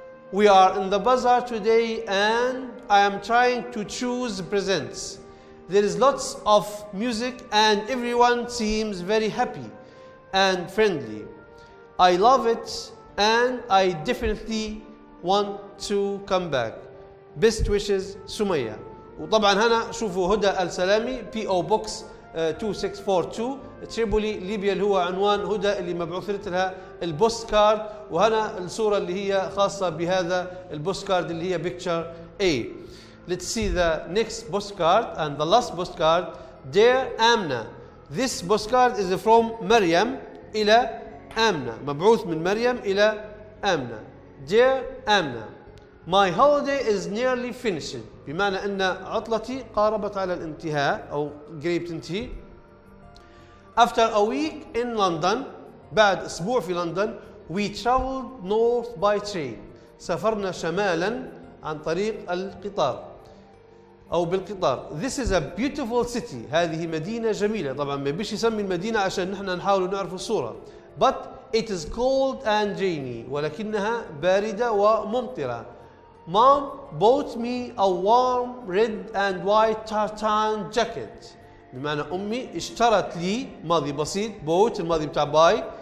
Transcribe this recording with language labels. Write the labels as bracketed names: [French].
[English] We are in the bazaar today and I am trying to choose presents. There is lots of music and everyone seems very happy and friendly. I love it and I definitely want to come back. Best wishes, Sumaya. [Arabic] وطبعا هنا شوفوا هدى السلامي PO Box 2642 تريبولي ليبيا اللي هو عنوان هدى اللي مبعوثرت لها البوست كارد وهنا الصورة اللي هي خاصة بهذا البوست كارد اللي هي Picture A. [English] Let's see the next post card and the last post card. Dear Amna, this post card is from Maryam [Arabic] إلى [English] Amna. [Arabic] مبعوث من مريم إلى [English] Amna. Dear Amna, my holiday is nearly finished. [Arabic] بمعنى أن عطلتي قاربت على الانتهاء أو قريب تنتهي. [English] After a week in London, [Arabic] بعد أسبوع في لندن, [English] we traveled north by train. [Arabic] سافرنا شمالاً عن طريق القطار. أو بالقطار. [English] This is a beautiful city. [Arabic] هذه مدينة جميلة. طبعاً ما بيش يسمي المدينة عشان نحن نحاول نعرف الصورة. [English] But it is cold and rainy. [Arabic] ولكنها باردة وممطرة. [English] Mom bought me a warm red and white tartan jacket. [Arabic] بمعنى أمي اشترت لي ماضي بسيط. Bought الماضي بتاع buy.